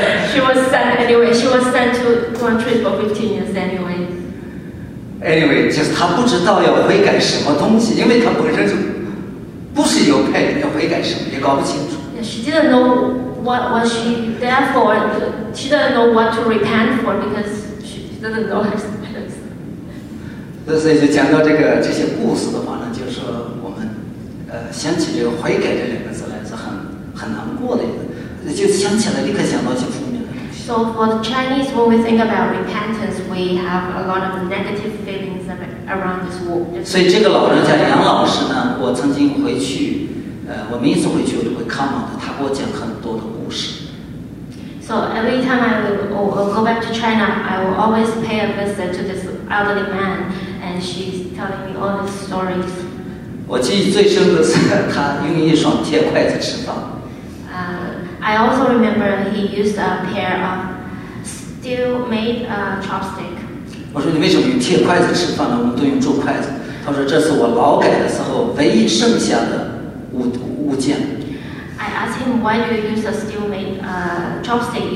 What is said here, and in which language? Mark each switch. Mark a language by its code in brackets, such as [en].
[en] She was sent to country for 15 years anyway. [zh] Anyway, 就是他不知道要悔改什么东西，因为他本身就不是右派，要悔改什么也搞不清楚。 [en] She didn't know. What was she there for? She doesn't know what to repent for because she doesn't know her sins. [zh] 那所以就讲到这些故事的话呢，就是我们想起这个悔改这两个字来，是很难过的一个，就想起来立刻想到就负面的。 [en] So for the Chinese, when we think about repentance, we have a lot of negative feelings around this word. [zh] 所以这个老人家杨老师呢，我曾经回去。我每次回去我都会看望他，他给我讲很多的故事。 [en] So every time I will go back to China, I will always pay a visit to this elderly man, and he and she's telling me all the stories. [zh] 我记忆最深的是她用一双铁筷子吃饭。 [en] I also remember he used a pair of steel-made chopstick. [zh] 我说你为什么用铁筷子吃饭呢？我们都用竹筷子。他说这是我劳改的时候唯一剩下的物件。 [en] I asked him why do you use a steel-made chopstick?